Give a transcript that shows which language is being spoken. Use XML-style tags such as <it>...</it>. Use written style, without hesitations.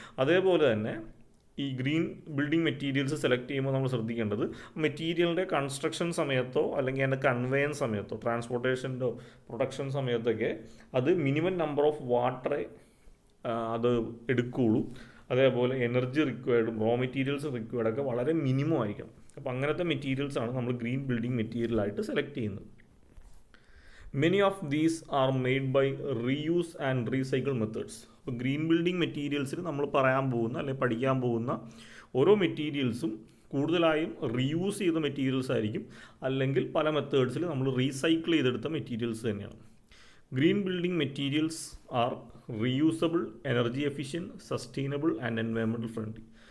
<ml>അതേപോലെ തന്നെ ഈ ഗ്രീൻ ബിൽഡിംഗ് മെറ്റീരിയൽസ് സെലക്ട് ചെയ്യുമ്പോൾ നമ്മൾ ശ്രദ്ധിക്കേണ്ടത് മെറ്റീരിയലിൻ്റെ കൺസ്ട്രക്ഷൻ സമയത്തോ അല്ലെങ്കിൽ അതിൻ്റെ കൺവെയൻസ് സമയത്തോ, ട്രാൻസ്പോർട്ടേഷൻ്റെ പ്രൊഡക്ഷൻ സമയത്തൊക്കെ അത് മിനിമം നമ്പർ ഓഫ് വാട്ടർ അത് എടുക്കുകയുള്ളൂ, അതേപോലെ എനർജി റിക്വയർഡും റോ മെറ്റീരിയൽസ് റിക്വയർഡൊക്കെ വളരെ മിനിമം ആയിരിക്കണം. അപ്പോൾ അങ്ങനത്തെ മെറ്റീരിയൽസാണ് നമ്മൾ ഗ്രീൻ ബിൽഡിംഗ് മെറ്റീരിയലായിട്ട് സെലക്ട് ചെയ്യുന്നത്.</ml> <en>Many of these are made by reuse and recycle methods.</en> <ml>Green building materials നമ്മൾ പറയാൻ പോകുന്ന അല്ലെങ്കിൽ പഠിക്കാൻ പോകുന്ന ഓരോ മെറ്റീരിയൽസും കൂടുതലായും റീയൂസ് ചെയ്ത മെറ്റീരിയൽസ് ആയിരിക്കും അല്ലെങ്കിൽ പല മെത്തേഡ്സിൽ നമ്മൾ റീസൈക്കിൾ ചെയ്തെടുത്ത മെറ്റീരിയൽസ് തന്നെയാണ്.</ml> <en>Green building materials are reusable, energy efficient, sustainable and എൻവയോൺമെൻ്റൽ friendly.</en>